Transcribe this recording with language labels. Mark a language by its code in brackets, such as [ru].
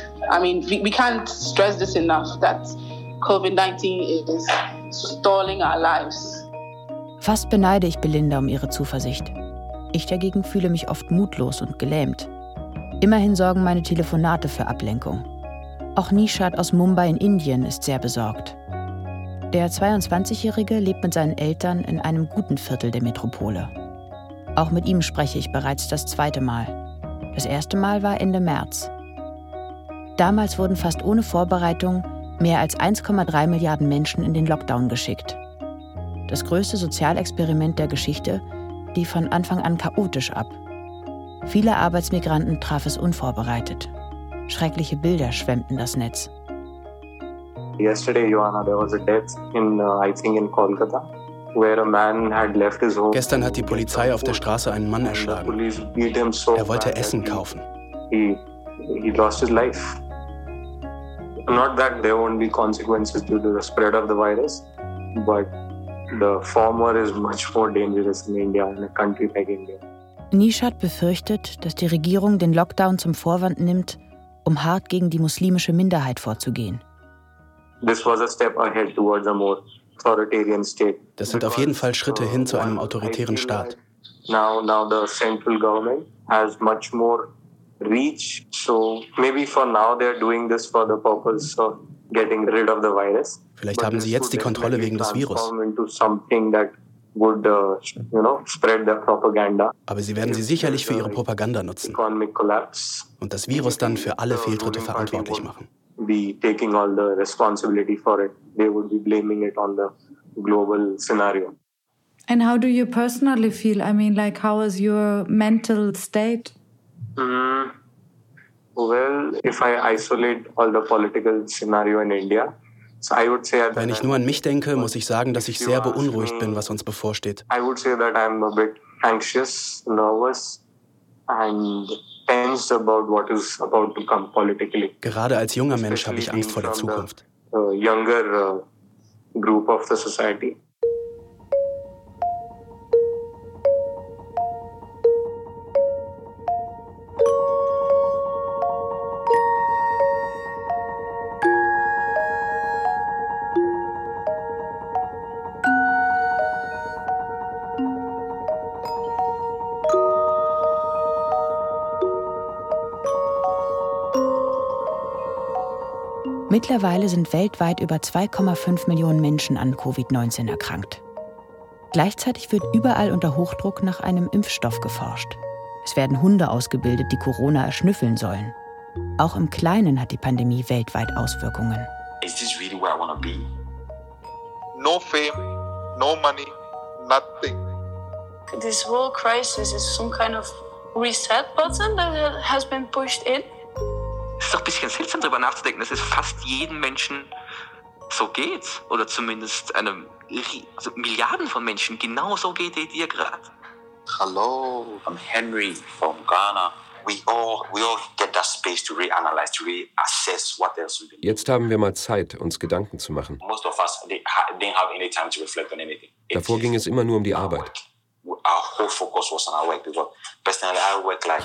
[en] I mean, we can't stress this enough that COVID-19 is stalling our lives. [de] Fast beneide ich Belinda um ihre Zuversicht. Ich dagegen fühle mich oft mutlos und gelähmt. Immerhin sorgen meine Telefonate für Ablenkung. Auch Nishad aus Mumbai in Indien ist sehr besorgt. Der 22-Jährige lebt mit seinen Eltern in einem guten Viertel der Metropole. Auch mit ihm spreche ich bereits das 2. Mal. Das 1. Mal war Ende März. Damals wurden fast ohne Vorbereitung mehr als 1,3 Milliarden Menschen in den Lockdown geschickt. Das größte Sozialexperiment der Geschichte lief von Anfang an chaotisch ab. Viele Arbeitsmigranten traf es unvorbereitet. Schreckliche Bilder schwemmten das Netz. [en] Yesterday, Joanna, there was a death in Kolkata. [de] Gestern hat die Polizei auf der Straße einen Mann erschlagen. Er wollte Essen kaufen. [en] He lost his life. Not that there won't be consequences due to the spread of the virus, but the former is much more dangerous in India, in a country like India. [de] Nishad befürchtet, dass die Regierung den Lockdown zum Vorwand nimmt, um hart gegen die muslimische Minderheit vorzugehen. [en] This was a step ahead towards a more authoritarian state. [de] Das sind auf jeden Fall Schritte hin zu einem autoritären Staat. [en] Now the central government has much more reach, so maybe for now they're doing this for the purpose of getting rid of the virus. [de] Vielleicht haben sie jetzt die Kontrolle wegen des Virus. [en] Would spread the propaganda. [de] Aber sie werden sie sicherlich für ihre Propaganda nutzen und das Virus dann für alle Fehltritte verantwortlich machen. [en] Be taking all the responsibility for it. They would be blaming it on the global scenario. And how do you personally feel? I mean, like, how is your mental state? If I isolate all the political scenario in India. [de] Wenn ich nur an mich denke, muss ich sagen, dass ich sehr beunruhigt bin, was uns bevorsteht. [en] I would say that I'm a bit anxious, nervous and tense about what is about to come politically. [de] Gerade als junger Mensch habe ich Angst vor der Zukunft. [en] Younger group of the society. [de] Mittlerweile sind weltweit über 2,5 Millionen Menschen an Covid-19 erkrankt. Gleichzeitig wird überall unter Hochdruck nach einem Impfstoff geforscht. Es werden Hunde ausgebildet, die Corona erschnüffeln sollen. Auch im Kleinen hat die Pandemie weltweit Auswirkungen. [en] Is this really where I want to be? No fame, no money, nothing. This whole crisis is some kind of reset button that has been pushed in. [de] Es ist doch ein bisschen seltsam, darüber nachzudenken, dass es fast jedem Menschen so geht. Oder zumindest Milliarden von Menschen genau so geht wie dir gerade. [en] Hallo, I'm Henry from Ghana. We all get that space to reanalyze, to reassess what else we've been. [de] Jetzt haben wir mal Zeit, uns Gedanken zu machen. [en] Most of us didn't have any time to reflect on anything. [de] Davor ging es immer nur um die Arbeit. [en] Our whole focus was on our work because personally I work like.